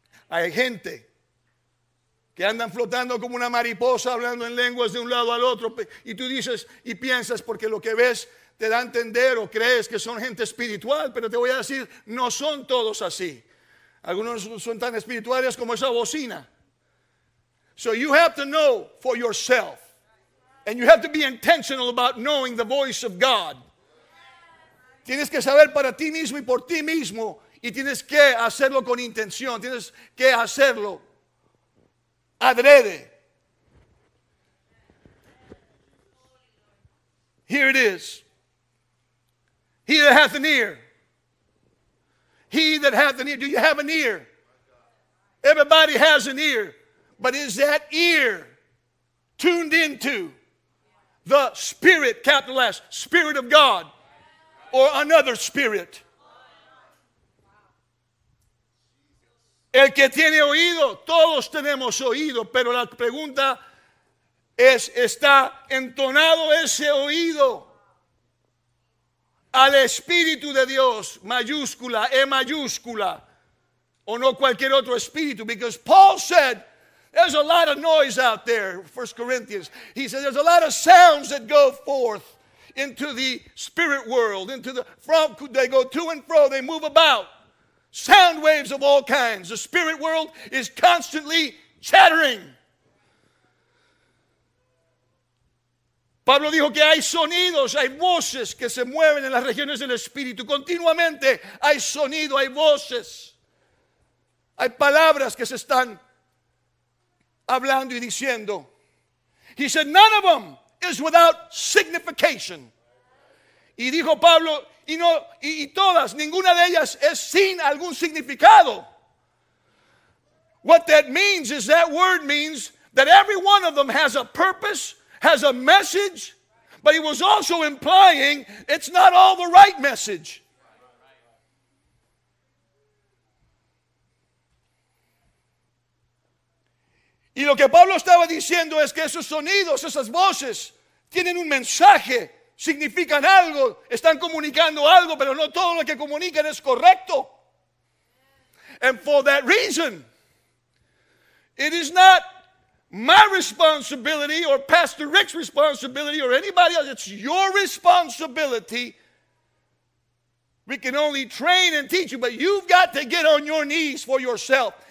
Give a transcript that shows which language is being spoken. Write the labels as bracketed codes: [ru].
[es] Hay gente que andan flotando como una mariposa hablando en lenguas de un lado al otro, y tú dices y piensas, porque lo que ves te da a entender o crees que son gente espiritual, pero te voy a decir, no son todos así. Algunos son tan espirituales como esa bocina. [en] So you have to know for yourself, and you have to be intentional about knowing the voice of God. [es] Tienes que saber para ti mismo y por ti mismo. Y tienes que hacerlo con intención. Tienes que hacerlo adrede. [en] Here it is. He that hath an ear. He that hath an ear. Do you have an ear? Everybody has an ear. But is that ear tuned into the Spirit, capital S, Spirit of God, or another spirit? [es] El que tiene oído, todos tenemos oído, pero la pregunta es, ¿está entonado ese oído al Espíritu de Dios, mayúscula, E mayúscula, o no cualquier otro espíritu? [en] Because Paul said, there's a lot of noise out there, 1 Corinthians. He said, there's a lot of sounds that go forth into the spirit world, into the from, they go to and fro, they move about. Sound waves of all kinds. The spirit world is constantly chattering. [es] Pablo dijo que hay sonidos, hay voces que se mueven en las regiones del espíritu. Continuamente hay sonido, hay voces. Hay palabras que se están hablando y diciendo. [en] He said, none of them is without signification. [es] Y dijo Pablo, Y todas, ninguna de ellas es sin algún significado. [en] What that means is that word means that every one of them has a purpose, has a message, but he was also implying it's not all the right message. [es] Y lo que Pablo estaba diciendo es que esos sonidos, esas voces, tienen un mensaje. Significan algo, están comunicando algo, pero no todo lo que comunican es correcto. [en] And for that reason, it is not my responsibility or Pastor Rick's responsibility or anybody else. It's your responsibility, We can only train and teach you, but you've got to get on your knees for yourself.